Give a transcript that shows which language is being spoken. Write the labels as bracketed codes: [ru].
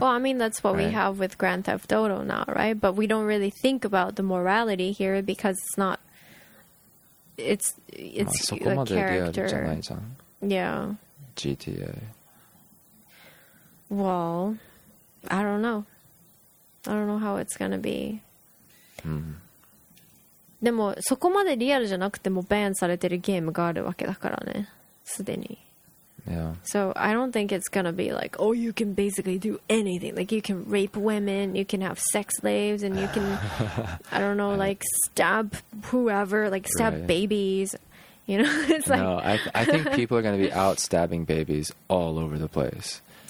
[en] Well, I mean, that's what right? we have with Grand Theft Auto now, right? But we don't really think about the morality here because it's not... It's a character. Yeah. GTA. Well, I don't know. I don't know how it's going to be. [ja] でもそこまでリアルじゃなくてもバンされてるゲームがあるわけだからね。すでに。 [en] Yeah. So I don't think it's going to be like, oh, you can basically do anything. Like you can rape women, you can have sex slaves, and you can, I don't know, like stab whoever, like stab right. babies. You know, it's no, like... No, I think people are going to be out stabbing babies all over the place.